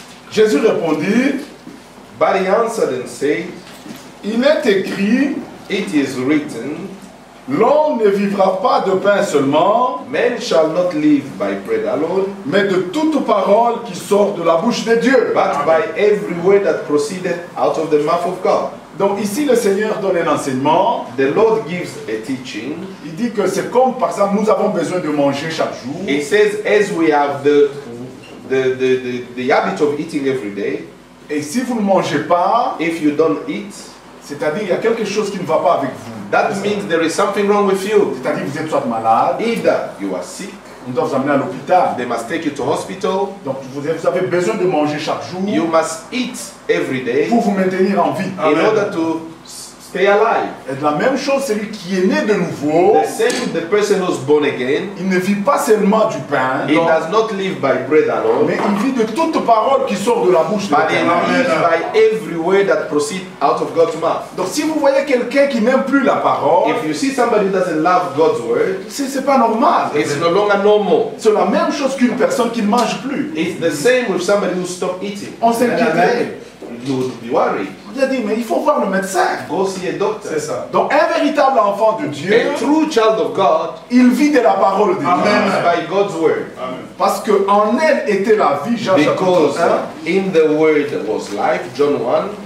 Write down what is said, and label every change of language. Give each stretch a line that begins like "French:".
French: Jésus répondit.
English: But he answered and said.
French: Il est écrit.
English: It is written.
French: L'homme ne vivra pas de pain seulement.
English: Man shall not live by bread alone.
French: Mais de toute parole qui sort de la bouche de Dieu.
English: But by every word that proceeded out of the mouth of God.
French: Donc ici le Seigneur donne un enseignement.
English: The Lord gives a teaching.
French: Il dit que c'est comme par exemple nous avons besoin de manger chaque jour.
English: He says as we have the habit of eating every day.
French: Et si vous ne mangez pas,
English: if you don't eat,
French: c'est-à-dire il y a quelque chose qui ne va pas avec vous.
English: That means there is something wrong with you.
French: C'est-à-dire vous êtes soit malade.
English: Either you are sick.
French: On doit vous amener à l'hôpital.
English: They must take you to hospital.
French: Donc vous avez besoin de manger chaque jour.
English: You must eat every day.
French: Pour vous maintenir en vie.
English: Amen. In order to stay alive.
French: Et la même chose, celui qui est né de nouveau.
English: The same the person who's born again.
French: Il ne vit pas seulement du pain.
English: He non, does not live by bread alone.
French: Mais il vit de toute parole qui sort de la bouche
English: but
French: de Dieu.
English: But he lives by every word that proceeds out of God's mouth.
French: Donc si vous voyez quelqu'un qui n'aime plus la parole,
English: if you see somebody who doesn't love God's word,
French: c'est pas normal.
English: It's no longer normal.
French: C'est la même chose qu'une personne qui ne mange plus.
English: It's the same with somebody who stopped eating.
French: On s'inquiète.
English: You would be worried.
French: Il a dit, mais il faut voir le médecin.
English: Go see a doctor.
French: C'est ça. Donc un véritable enfant de Dieu,
English: a true child of God,
French: il vit de la parole de
English: Amen.
French: Dieu.
English: By God's word.
French: Amen. Parce que en elle était la vie. Jean
English: chapitre 1. Because in the word was life. John 1.